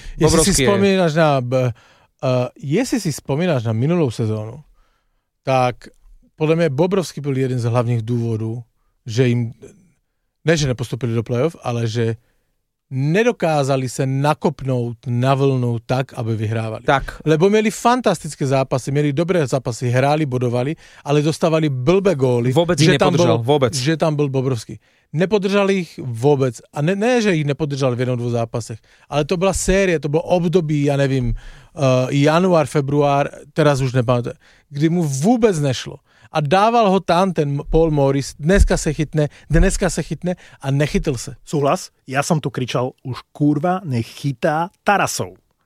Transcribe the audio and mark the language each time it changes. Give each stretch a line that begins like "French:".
Slovak: Jestli si spomínaš na minulú sezónu, tak podľa mňa Bobrovský bol jeden z hlavných dôvodov, že im, ne že nepostupili do playoff, ale že nedokázali sa nakopnúť na vlnu tak, aby vyhrávali. Tak. Lebo mieli fantastické zápasy, mieli dobré zápasy, hráli, bodovali, ale dostávali blbé góly. Vôbec ich nepodržal, vôbec. Že tam bol Bobrovský. Nepodržali ich vôbec. A ne že ich nepodržali v jednom dvoch zápasech. Ale to bola série, to bolo období, ja neviem, január, február, teraz už nepamätám, kdy mu vôbec nešlo.
Czech: A dával ho tam ten Paul Morris, dneska se chytne a nechytil se.
Slovak: Súhlas, ja som tu kričal, už kurva nechytá Tarasov.